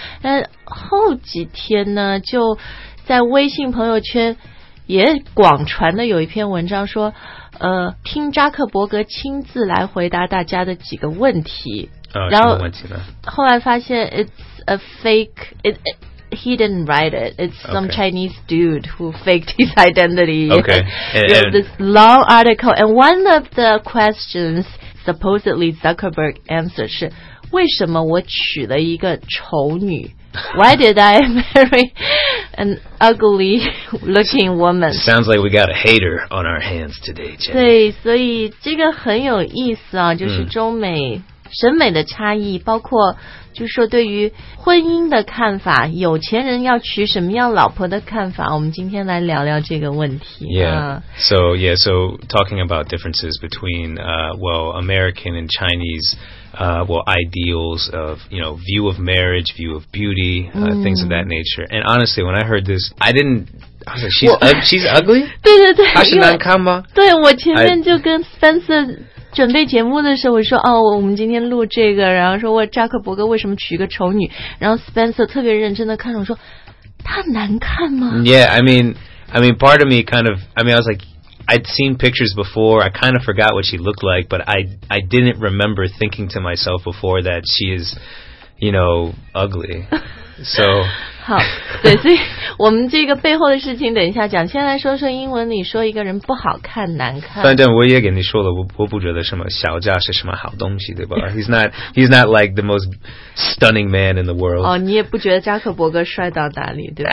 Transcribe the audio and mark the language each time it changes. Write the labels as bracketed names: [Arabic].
[Chinese] 那后几天呢，就在微信朋友圈也广传的有一篇文章说听扎克伯格亲自来回答大家的几个问题。然 [English] 后后来发现 it's a fake, he didn't write it, it's some Chinese dude who faked his identity. And this long article, and one of the questions supposedly Zuckerberg answered [Chinese] 是为什么我娶了一个丑女? [English] Why did I marry an ugly looking woman? Sounds like we got a hater on our hands today, Jenny. [Chinese] 对，所以这个很有意思啊，就是中美审美的差异，包括就是说对于婚姻的看法，有钱人要娶什么样老婆的看法，我们今天来聊聊这个问题。 [English] So talking about differences between American and Chinese ideals of, you know, view of marriage, view of beauty, things of that nature. And honestly, when I heard this, she's ugly? [Chinese] 对对对，她是难看吗？对，我前面就跟 Spencer准备节目的时候，我说我们今天录这个，然后说我扎克伯格为什么娶个丑女，然后 Spencer 特别认真的看着我说，她难看吗？ [English] Yeah, I mean, part of me kind of, I mean, I was like, I'd seen pictures before, I kind of forgot what she looked like, but I didn't remember thinking to myself before that she is, you know, ugly. So, [Chinese] 好，对，所以我们这个背后的事情等一下讲。先来说说英文，你说一个人不好看、难看。反正我也给你说了，我不觉得什么小家是什么好东西，对吧？ [English] He's not like the most stunning man in the world. [Chinese] 哦，你也不觉得扎克伯格帅到哪里，对吧